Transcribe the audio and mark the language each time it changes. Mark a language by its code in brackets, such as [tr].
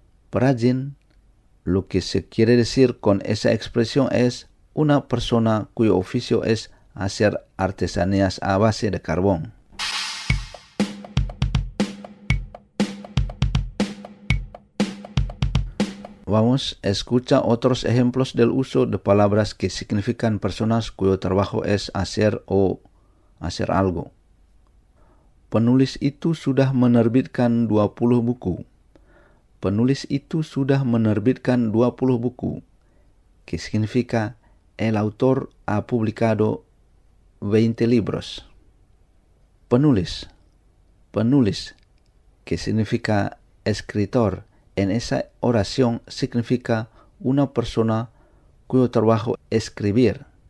[es] Perajin, lo que se quiere decir con esa expresión es una persona cuyo oficio es hacer artesanías a base de carbón. Vamos, escucha otros ejemplos del uso de palabras que significan personas cuyo trabajo es hacer o hacer algo. [id] Penulis itu sudah menerbitkan 20 buku. Penulis itu sudah menerbitkan 20 buku. [es] Que significa el autor ha publicado 20 libros. penulis, penulis, que significa escritor, en esa oración significa una persona cuyo trabajo es escribir.